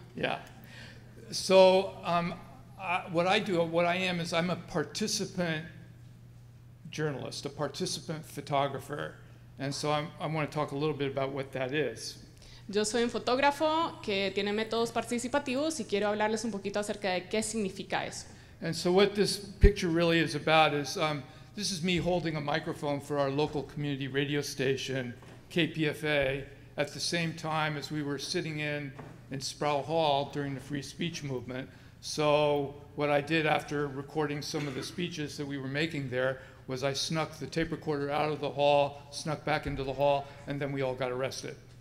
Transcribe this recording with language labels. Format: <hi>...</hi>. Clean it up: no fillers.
<en>Yeah. So what I do, what I am, is I'm a participant journalist, a participant photographer. And so I want to talk a little bit about what that is.</en> <es>Yo soy un fotógrafo que tiene métodos participativos y quiero hablarles un poquito acerca de qué significa eso.</es> <en>And so what this picture really is about is, this is me holding a microphone for our local community radio station, KPFA, at the same time as we were sitting in Sproul Hall during the free speech movement. So what I did after recording some of the speeches that we were making there was I snuck the tape recorder out of the hall, snuck back into the hall, and then we all got arrested.</en>